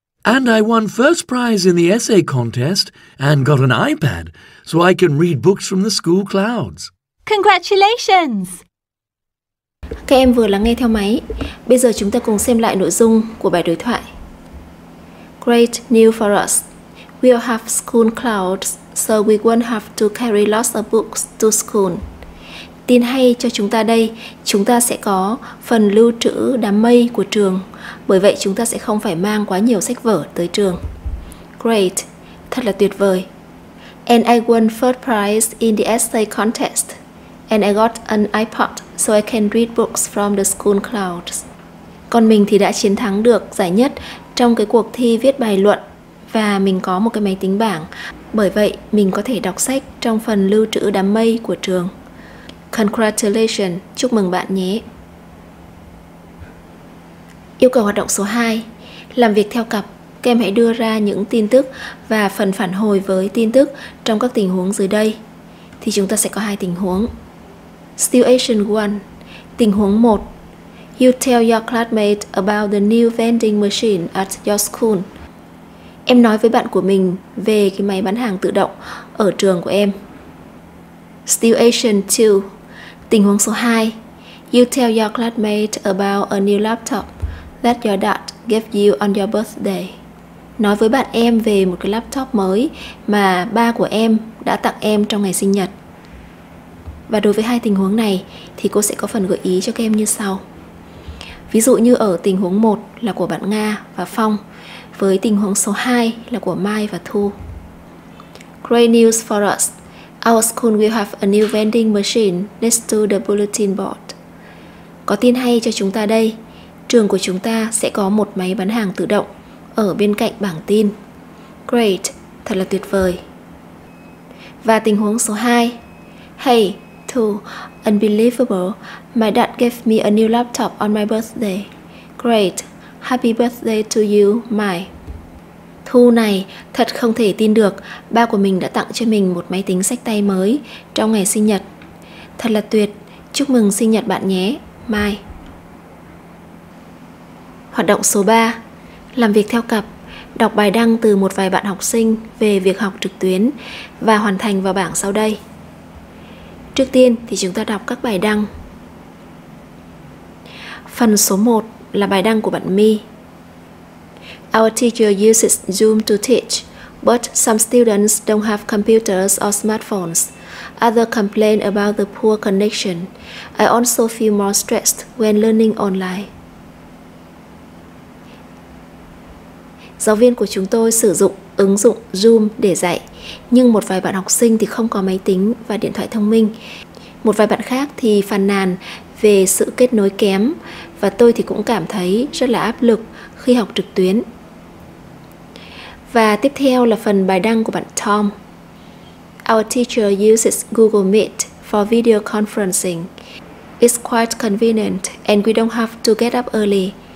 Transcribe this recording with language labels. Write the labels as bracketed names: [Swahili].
[English] And I won first prize in the essay contest and got an iPad so I can read books from the school clouds. Congratulations! [Vietnamese] Các em vừa lắng nghe theo máy. Bây giờ chúng ta cùng xem lại nội dung của bài đối thoại. [English] Great news for us. We'll have school clouds, so we won't have to carry lots of books to school. [Vietnamese] Tin hay cho chúng ta đây, chúng ta sẽ có phần lưu trữ đám mây của trường, bởi vậy chúng ta sẽ không phải mang quá nhiều sách vở tới trường. [English] Great, [Vietnamese] thật là tuyệt vời. [English] And I won first prize in the essay contest. And I got an iPod so I can read books from the school clouds. [Vietnamese] Còn mình thì đã chiến thắng được giải nhất trong cái cuộc thi viết bài luận và mình có một cái máy tính bảng. Bởi vậy, mình có thể đọc sách trong phần lưu trữ đám mây của trường. [English] Congratulations, [Vietnamese] chúc mừng bạn nhé. Yêu cầu hoạt động số 2, làm việc theo cặp. Các em hãy đưa ra những tin tức và phần phản hồi với tin tức trong các tình huống dưới đây. Thì chúng ta sẽ có hai tình huống. [English] Situation 1, [Vietnamese] tình huống 1. [English] You tell your classmate about the new vending machine at your school. [Vietnamese] Em nói với bạn của mình về cái máy bán hàng tự động ở trường của em. [English] Situation 2, [Vietnamese] tình huống số 2. [English] You tell your classmate about a new laptop that your dad gave you on your birthday. [Vietnamese] Nói với bạn em về một cái laptop mới mà ba của em đã tặng em trong ngày sinh nhật. Và đối với hai tình huống này thì cô sẽ có phần gợi ý cho các em như sau. Ví dụ như ở tình huống 1 là của bạn Nga và Phong, với tình huống số 2 là của Mai và Thu. [English] Great news for us. Our school will have a new vending machine next to the bulletin board. [Vietnamese] Có tin hay cho chúng ta đây. Trường của chúng ta sẽ có một máy bán hàng tự động ở bên cạnh bảng tin. [English] Great, [Vietnamese] thật là tuyệt vời. Và tình huống số 2. [English] Hey, Thu, unbelievable, my dad gave me a new laptop on my birthday. Great, happy birthday to you, Mai. [Vietnamese] Thu này, thật không thể tin được, ba của mình đã tặng cho mình một máy tính sách tay mới trong ngày sinh nhật. Thật là tuyệt, chúc mừng sinh nhật bạn nhé, Mai. Hoạt động số 3, làm việc theo cặp, đọc bài đăng từ một vài bạn học sinh về việc học trực tuyến và hoàn thành vào bảng sau đây. Trước tiên thì chúng ta đọc các bài đăng. Phần số 1 là bài đăng của bạn My. [English] Our teacher uses Zoom to teach, but some students don't have computers or smartphones. Others complain about the poor connection. I also feel more stressed when learning online. [Vietnamese] Giáo viên của chúng tôi sử dụng ứng dụng Zoom để dạy, nhưng một vài bạn học sinh thì không có máy tính và điện thoại thông minh. Một vài bạn khác thì phàn nàn về sự kết nối kém và tôi thì cũng cảm thấy rất là áp lực khi học trực tuyến. Và tiếp theo là phần bài đăng của bạn Tom. [English] Our teacher uses Google Meet for video conferencing. It's quite convenient and we don't have to get up early.